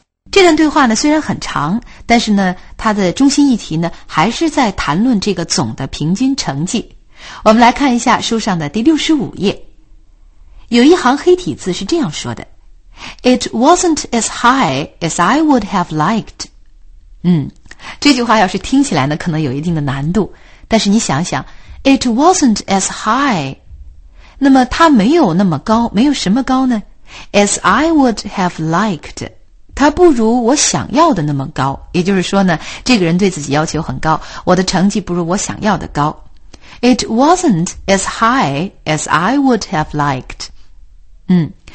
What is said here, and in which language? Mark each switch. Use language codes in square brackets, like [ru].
[zh] 这段对话呢虽然很长，但是呢它的中心议题呢还是在谈论这个总的平均成绩。我们来看一下书上的第65页，有一行黑体字是这样说的， [en] It wasn't as high as I would have liked. [zh] 这句话要是听起来呢，可能有一定的难度。但是你想想 ， [en] It wasn't as high。 [zh] 那么它没有那么高，没有什么高呢 ？ [en] As I would have liked。 [zh] 他不如我想要的那么高，也就是说呢，这个人对自己要求很高，我的成绩不如我想要的高。 [en] It wasn't as high as I would have liked.